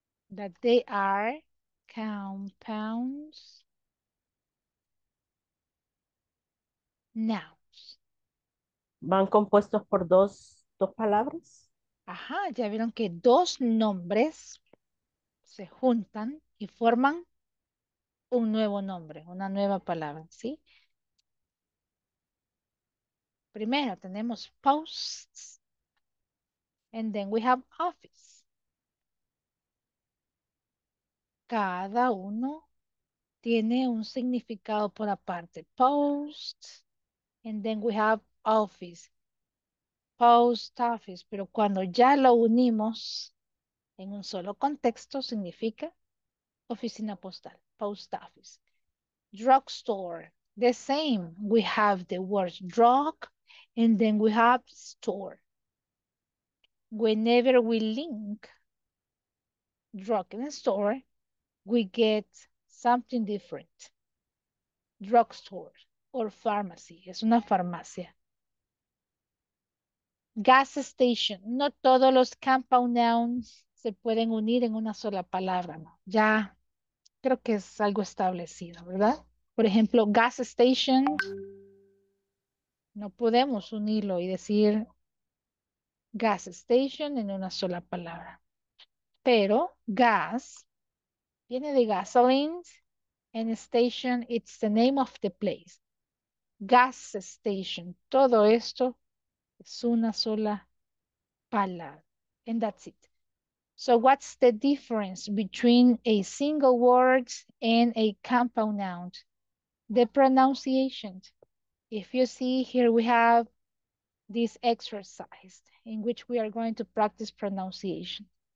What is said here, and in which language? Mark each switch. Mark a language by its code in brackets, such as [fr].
[en] That they are compounds, nouns. [es] ¿Van compuestos por dos palabras? Ajá, ya vieron que dos nombres se juntan y forman un nuevo nombre, una nueva palabra, ¿sí? Primero tenemos [en] posts, and then we have office. [es] Cada uno tiene un significado por aparte. [en] Post, and then we have office. [es] Post office, pero cuando ya lo unimos en un solo contexto, significa oficina postal, post office. [en] Drugstore, the same. We have the words drug, and then we have store. Whenever we link drug and store, we get something different. Drugstore or pharmacy. [es] Es una farmacia. [en] Gas station. [es] No todos los compound nouns se pueden unir en una sola palabra, ¿no? Ya creo que es algo establecido, ¿verdad? Por ejemplo, gas station. No podemos unirlo y decir gas station en una sola palabra. Pero gas viene de gasoline, [en] and station, it's the name of the place. [es] Gas station, todo esto es una sola palabra. [en] And that's it. So what's the difference between a single word and a compound noun? The pronunciation. If you see here, we have this exercise in which we are going to practice pronunciation.